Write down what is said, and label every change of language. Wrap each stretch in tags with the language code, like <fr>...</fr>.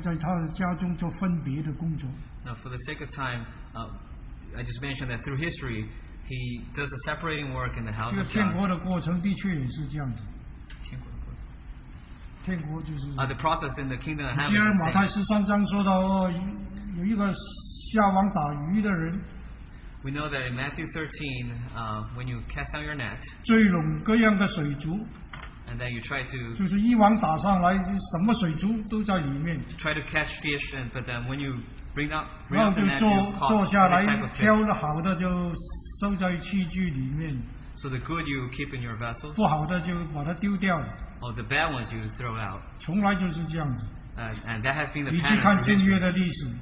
<zh>历世历代以来，常常在他的家中做分别的工作。</zh> <en>Now, for the sake of time, I just mentioned that through history, he does a separating work in the house of God.</en> <zh>天国的过程的确也是这样子。天国的过程。天国就是。</zh> <en>The process in the kingdom of heaven.</en> <zh>马太十三章说到，有一个下网打鱼的人。</zh> <en>We know that in Matthew 13, when you cast out your net.</en> <zh>聚拢各样的水族。</zh> <en>And then you try to</en> <zh>就是一网打上来，什么水族都在里面。</zh> <en>Try to catch fish, and but then when you bring up the net, you caught the type of fish. So the good you keep in your vessels.</en> <zh>不好的就把它丢掉了。</zh> <en>Or the bad ones you throw out.</en> <zh>从来就是这样子。</zh> <en>And that has been the pattern.</en> <zh>你去看旧约的历史。</zh>